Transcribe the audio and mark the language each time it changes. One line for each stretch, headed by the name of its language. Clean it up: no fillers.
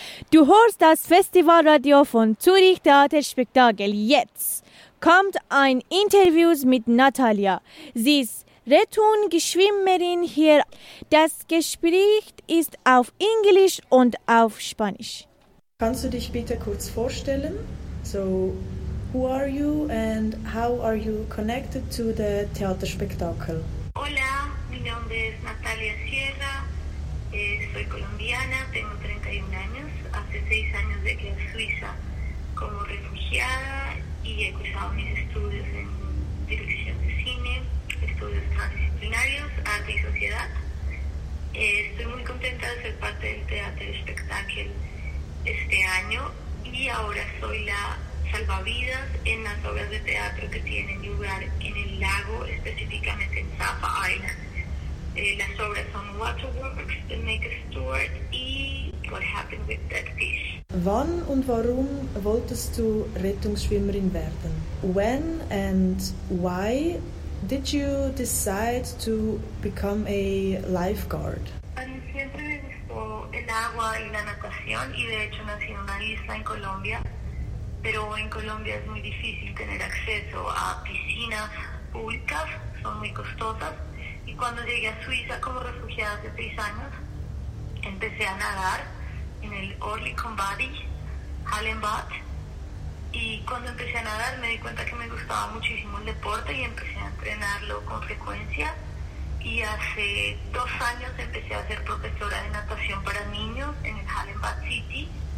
German: Du hörst das Festivalradio von Zürich Theater Spektakel jetzt. Kommt ein Interview mit Natalia. Sie ist Rettungsschwimmerin hier. Das Gespräch ist auf Englisch und auf Spanisch. Kannst du dich bitte kurz vorstellen?
English: So, who are you and how are you connected to the theater spectacle?
Spanish: Hola, mi nombre es Natalia Sierra. Soy colombiana, tengo 31 años. Hace 6 años de que en Suiza como refugiada y he cursado mis estudios en dirección de cine, estudios transdisciplinarios, arte y sociedad. Estoy muy contenta de ser parte del teatro espectáculo este año y ahora soy la salvavidas en las obras de teatro que tienen lugar en el lago, específicamente en Zappa Island. Las obras son Waterworks, The Naked Steward y What Happened with That Fish.
German: Wann und warum wolltest du Rettungsschwimmerin werden?
English: When and why did you decide to become a lifeguard?
Spanish: Siempre me gustó el agua y la natación y de hecho nací en una isla en Colombia, pero en Colombia es muy difícil tener acceso a piscinas públicas, son muy costosas. Y cuando llegué a Suiza como refugiada hace 6 años, empecé a nadar en el Orlikonbadi, Hallenbad, y cuando empecé a nadar me di cuenta que me gustaba muchísimo el deporte y empecé a entrenarlo con frecuencia, y hace 2 años empecé a ser profesora de natación para niños en el Hallenbad City,